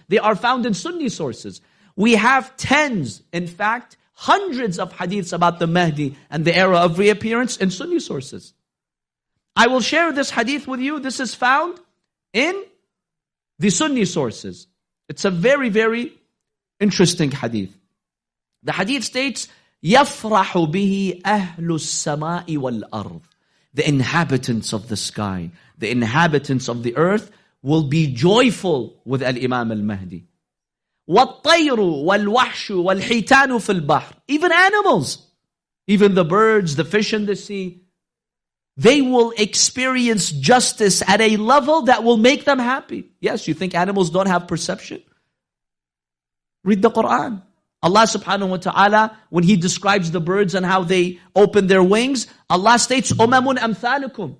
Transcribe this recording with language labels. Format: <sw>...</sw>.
<en>They are found in Sunni sources. We have tens, in fact, hundreds of hadiths about the Mahdi and the era of reappearance in Sunni sources. I will share this hadith with you. This is found in the Sunni sources. It's a very, very interesting hadith. The hadith states,</en> <ar>يفرح به أهل السماء والأرض.</ar> <en>The inhabitants of the sky, the inhabitants of the earth will be joyful with Al-Imam Al-Mahdi.</en> <ar>والطير والوحش والحيتان في البحر.</ar> <en>Even animals, even the birds, the fish in the sea, they will experience justice at a level that will make them happy. Yes, you think animals don't have perception? Read the Quran. Allah subhanahu wa ta'ala, when He describes the birds and how they open their wings, Allah states,</en> <ar>أُمَمٌ أَمْثَالُكُمْ.</ar>